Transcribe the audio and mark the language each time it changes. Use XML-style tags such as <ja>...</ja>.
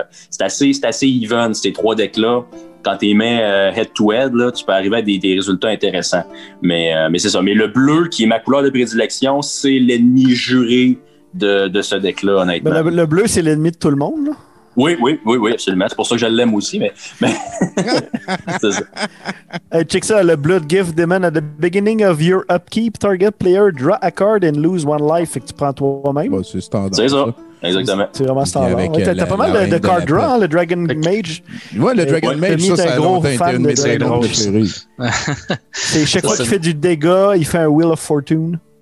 <fr>C'est assez even, ces trois decks-là. Quand tu mets head-to-head, là, tu peux arriver à des résultats intéressants. Mais c'est ça. Mais le bleu, qui est ma couleur de prédilection, c'est l'ennemi juré de ce deck-là, honnêtement. Mais le bleu, c'est l'ennemi de tout le monde, là? Oui, absolument. C'est pour ça que je l'aime aussi. Mais... c'est ça. Check ça. Le Blood Gift Demon.</fr> <en>At the beginning of your upkeep, target player, draw a card and lose one life.</en> <fr>Fait que tu prends toi-même. Bon, c'est standard. C'est ça. Exactement. C'est vraiment standard. Avec, ouais, t'as pas mal de card draw, hein, le Dragon Mage. Ouais, le Dragon Mage, ça, c'est un gros fan de Dragon Mage. C'est chaque fois qu'il fait du dégât, il fait un Wheel of Fortune.</fr>